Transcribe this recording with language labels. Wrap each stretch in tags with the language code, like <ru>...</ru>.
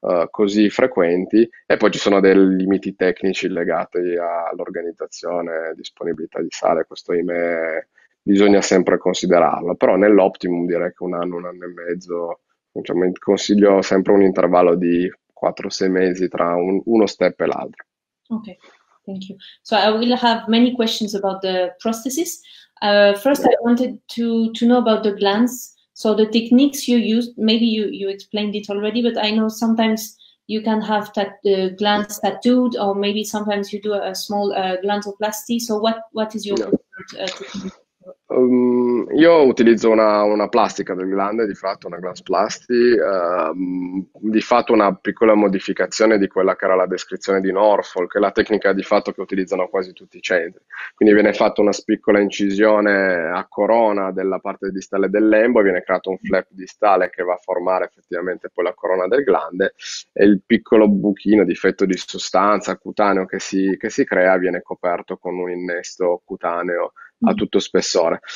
<it>così frequenti, e poi ci sono dei limiti tecnici legati all'organizzazione, disponibilità di sale, questo ahimè bisogna sempre considerarlo, però nell'optimum direi che un anno e mezzo, diciamo, consiglio sempre un intervallo di 4-6 mesi tra uno step e l'altro.</it> <en>Okay, thank you. So I will have many questions about the prosthesis. First, I wanted to know about the glands. So the techniques you used, maybe you explained it already, but I know sometimes you can have glands tattooed, or maybe sometimes you do a small glandoplasty. So what is your technique?</en> <it>Io utilizzo una plastica del glande, di fatto una glansplasty, di fatto una piccola modificazione di quella che era la descrizione di Norfolk, che è la tecnica di fatto che utilizzano quasi tutti i centri. Quindi viene fatta una piccola incisione a corona della parte distale del lembo, viene creato un flap distale che va a formare effettivamente poi la corona del glande, e il piccolo buchino, difetto di sostanza cutaneo che si crea, viene coperto con un innesto cutaneo a tutto spessore.</it>